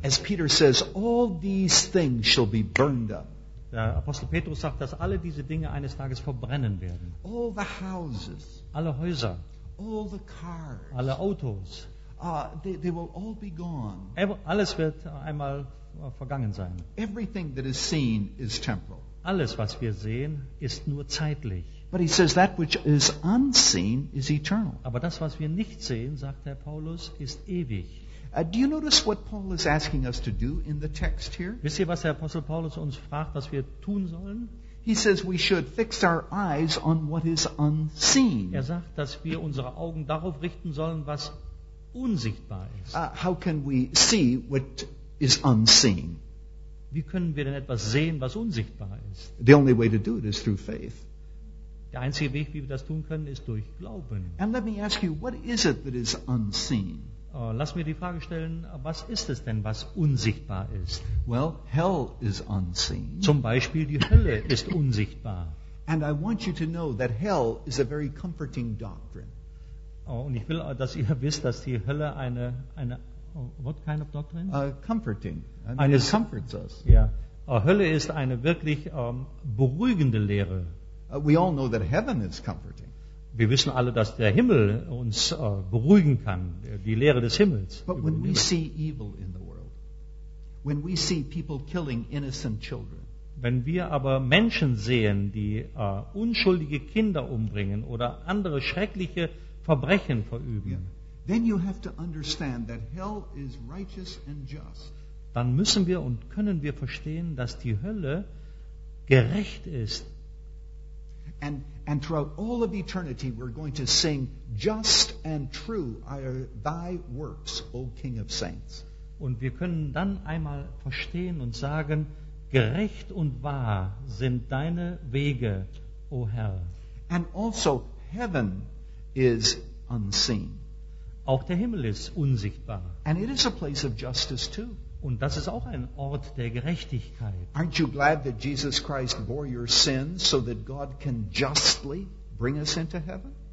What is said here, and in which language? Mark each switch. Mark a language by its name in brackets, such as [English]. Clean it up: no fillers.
[English] As Peter says, all these things shall be burned up. [German] Der Apostel Petrus sagt, dass alle diese Dinge eines Tages verbrennen werden. [English] All the houses. [German] Alle Häuser. [English] All the cars. [German] Alle Autos. [English] They will all be gone. [German] Alles wird einmal vergangen sein. [English] Everything that is seen is temporal. [German] Alles, was wir sehen, ist nur zeitlich. [English] But he says that which is unseen is eternal. [German] Aber das, was wir nicht sehen, sagt Herr Paulus, ist ewig. [English] Do you notice what Paul is asking us to do in the text here? [German] Wisst ihr, was der Apostel Paulus uns fragt, was wir tun sollen? [English] He says we should fix our eyes on what is unseen. [German] Er sagt, dass wir unsere Augen darauf richten sollen, was unsichtbar ist. [English] How can we see what is unseen? [German] Wie können wir denn etwas sehen, was unsichtbar ist? [English] The only way to do it is through faith. [German] Der einzige Weg, wie wir das tun können, ist durch Glauben. [English] And let me ask you, what is it that is unseen? [German] Lass mir die Frage stellen, was ist es denn, was unsichtbar ist? [English] Well, hell is unseen. [German] Zum Beispiel die Hölle ist unsichtbar. [English] And I want you to know that hell is a very comforting doctrine. [German] Und ich will, dass ihr wisst, dass die Hölle eine [English] what kind of doctrine? Comforting. I mean, it comforts us. Yeah. [German] Hölle ist eine wirklich beruhigende Lehre. [English] We all know that heaven is comforting. [German] Wir wissen alle, dass der Himmel uns beruhigen kann, die Lehre des Himmels. [English] But when we see evil in the world, when we see people killing innocent children, [German] wenn wir aber Menschen sehen, die unschuldige Kinder umbringen oder andere schreckliche Verbrechen verüben, yeah, [English] then you have to understand that hell is righteous and just. [German] Dann müssen wir und können wir verstehen, dass die Hölle gerecht ist. [English] And throughout all of eternity we're going to sing, just and true are thy works, O King of Saints. [German] Und wir können dann einmal verstehen und sagen, gerecht und wahr sind deine Wege, O Herr. [English] And also heaven is unseen. [German] Auch der Himmel ist unsichtbar. [English] And it is a place of justice too. [German] Und das ist auch ein Ort der Gerechtigkeit. [English] Aren't you glad that Jesus Christ bore your sins so that God can justly bring us into heaven?